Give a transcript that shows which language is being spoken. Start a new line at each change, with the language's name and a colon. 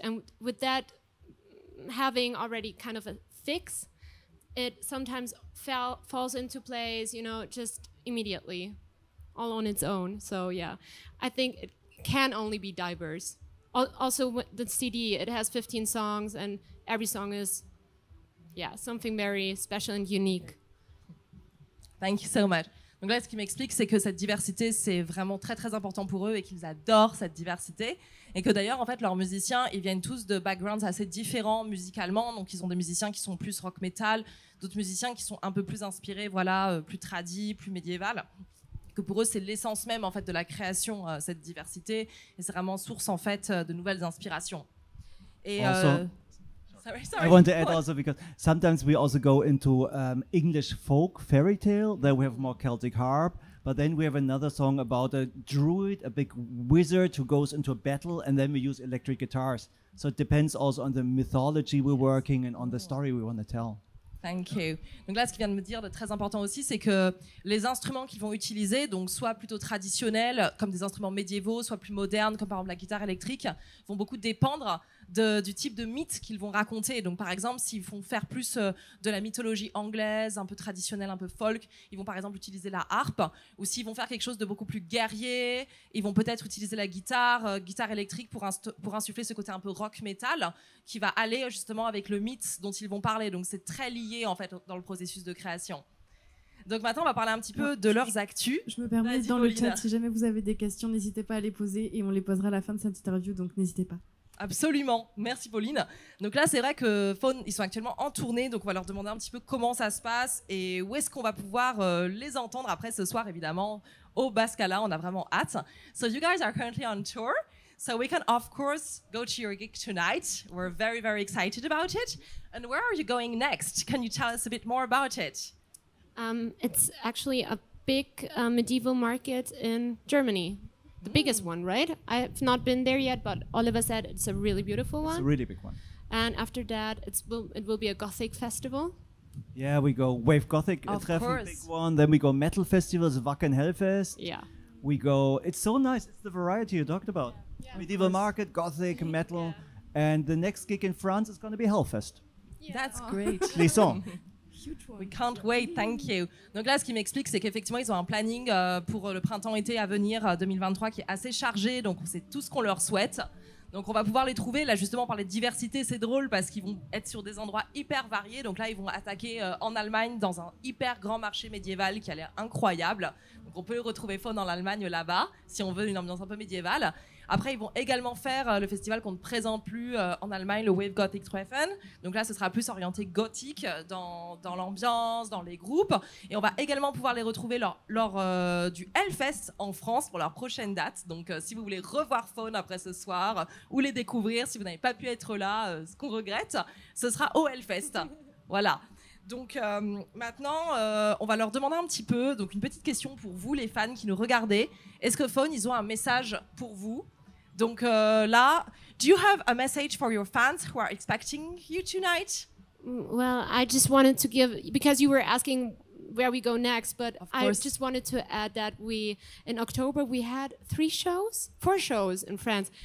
English: And with that having already kind of a fix, it sometimes falls into place, you know, just immediately, all on its own. So yeah, I think it can only be diverse. Also, the CD, it has 15 songs, and every song is, yeah, something very special and unique. Thank you so much.
French: Donc là, ce qui m'explique, c'est que cette diversité, c'est vraiment très, très important pour eux et qu'ils adorent cette diversité. Et que d'ailleurs, en fait, leurs musiciens, ils viennent tous de backgrounds assez différents musicalement. Donc, ils ont des musiciens qui sont plus rock metal, d'autres musiciens qui sont un peu plus inspirés, voilà, plus tradis, plus médiéval. Que pour eux, c'est l'essence même, en fait, de la création, cette diversité. Et c'est vraiment source, en fait, de nouvelles inspirations.
English: Et, Sorry. I want to add also because sometimes we also go into English folk fairy tale, then we have more Celtic harp, but then we have another song about a druid, a big wizard who goes into a battle, and then we use electric guitars. So it depends also on the mythology we're working and on the story we want to tell. Thank you.
French: Donc là, ce qu'il vient de me dire de très important aussi, c'est que les instruments qu'ils vont utiliser, donc soit plutôt traditionnels, comme des instruments médiévaux, soit plus modernes, comme par exemple la guitare électrique, vont beaucoup dépendre du type de mythe qu'ils vont raconter. Donc par exemple, s'ils font faire plus de la mythologie anglaise, un peu traditionnelle, un peu folk, ils vont par exemple utiliser la harpe, ou s'ils vont faire quelque chose de beaucoup plus guerrier, ils vont peut-être utiliser la guitare, guitare électrique pour insuffler ce côté un peu rock metal qui va aller justement avec le mythe dont ils vont parler. Donc c'est très lié en fait dans le processus de création. Donc maintenant, on va parler un petit peu de leurs actus. Je me permets, dans le chat, si jamais vous avez des questions, n'hésitez pas à les poser et on les posera à la fin de cette interview, donc n'hésitez pas. Absolument, merci Pauline. Donc là, c'est vrai que Faune, ils sont actuellement en tournée, donc on va leur demander un petit peu comment ça se passe et où est-ce qu'on va pouvoir les entendre après ce soir, évidemment, au Bascala, on a vraiment hâte.
English: So you guys are currently on tour, so we can of course go to your gig tonight. We're very, very excited about it. And where are you going next? Can you tell us a bit more about it? It's actually a big medieval market in Germany. The biggest one, right? I've not been there yet, but Oliver said it's a really beautiful one. It's a really big one. And after that, it will be a Gothic festival. Yeah, we go Wave Gothic, Treffen, big one. Then we go Metal Festivals, Wacken Hellfest. Yeah. We go, it's so nice. It's the variety you talked about. Yeah, medieval market, Gothic, metal. Yeah. And the next gig in France is going to be Hellfest. Yeah. That's great.
French: Les Sons.
English: We can't wait, thank you.
French: Donc là, ce qui m'explique, c'est qu'effectivement, ils ont un planning pour le printemps-été à venir 2023 qui est assez chargé, donc c'est tout ce qu'on leur souhaite. Donc on va pouvoir les trouver, là justement, parler de diversité, c'est drôle parce qu'ils vont être sur des endroits hyper variés. Donc là, ils vont attaquer en Allemagne dans un hyper grand marché médiéval qui a l'air incroyable. Donc on peut retrouver Faune en Allemagne là-bas, si on veut une ambiance un peu médiévale. Après, ils vont également faire le festival qu'on ne présente plus en Allemagne, le Wave Gothic Treffen. Donc là, ce sera plus orienté gothique dans l'ambiance, dans les groupes. Et on va également pouvoir les retrouver lors du Hellfest en France pour leur prochaine date. Donc si vous voulez revoir Faune après ce soir ou les découvrir, si vous n'avez pas pu être là, ce qu'on regrette, ce sera au Hellfest. Voilà. Donc maintenant, on va leur demander un petit peu, donc une petite question pour vous les fans qui nous regardez. Est-ce que Faune, ils ont un message pour vous? Donc là,
English: do you have a message for your fans who are expecting you tonight? Well, I just wanted to give, because you were asking where we go next, but I just wanted to add that in October, we had four shows in France.